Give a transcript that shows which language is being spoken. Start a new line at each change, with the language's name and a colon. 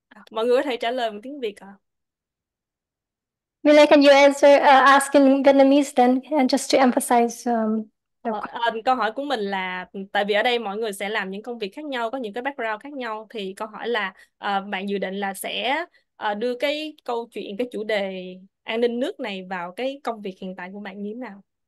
Vietnamese: Mọi người có thể trả lời bằng tiếng Việt à?
English: Milay, can you answer, ask in Vietnamese then, and just to emphasize
Vietnamese: Câu hỏi của mình là tại vì ở đây mọi người sẽ làm những công việc khác nhau, có những cái background khác nhau, thì câu hỏi là bạn dự định là sẽ đưa cái câu chuyện, cái chủ đề an ninh nước này vào cái công việc hiện tại của bạn như thế nào?